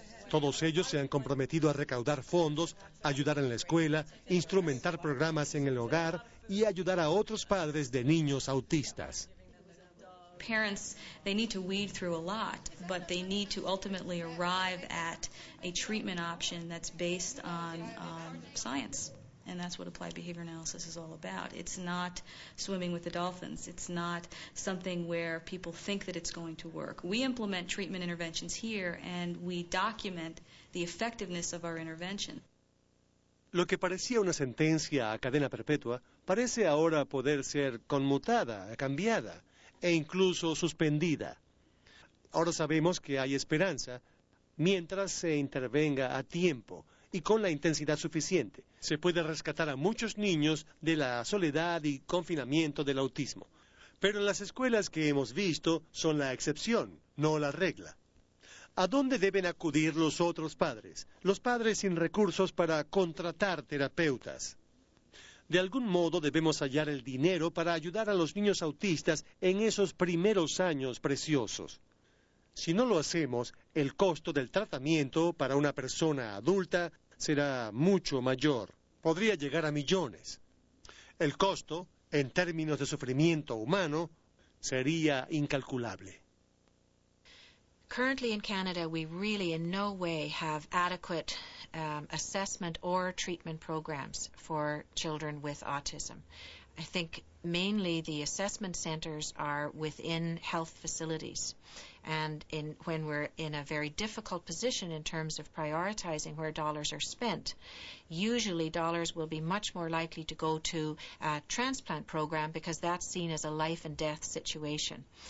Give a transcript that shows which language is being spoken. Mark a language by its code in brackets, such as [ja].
[es] Todos ellos se han comprometido a recaudar fondos, ayudar en la escuela, instrumentar programas en el hogar y ayudar a otros padres de niños autistas. [en] Parents, they need to weed through a lot, but they need to ultimately arrive at a treatment option that's based on science. And that's what applied behavior analysis is all about. It's not swimming with the dolphins. It's not something where people think that it's going to work. We implement treatment interventions here, and we document the effectiveness of our intervention. [es] Lo que parecía una sentencia a cadena perpetua parece ahora poder ser conmutada, cambiada, e incluso suspendida. Ahora sabemos que hay esperanza mientras se intervenga a tiempo y con la intensidad suficiente. Se puede rescatar a muchos niños de la soledad y confinamiento del autismo. Pero las escuelas que hemos visto son la excepción, no la regla. ¿A dónde deben acudir los otros padres? Los padres sin recursos para contratar terapeutas. De algún modo debemos hallar el dinero para ayudar a los niños autistas en esos primeros años preciosos. Si no lo hacemos, el costo del tratamiento para una persona adulta será mucho mayor. Podría llegar a millones. El costo, en términos de sufrimiento humano, sería incalculable. [en] Currently in Canada, we really in no way have adequate assessment or treatment programs for children with autism. I think mainly the assessment centers are within health facilities. And when we're in a very difficult position in terms of prioritizing where dollars are spent, usually dollars will be much more likely to go to a transplant program because that's seen as a life and death situation.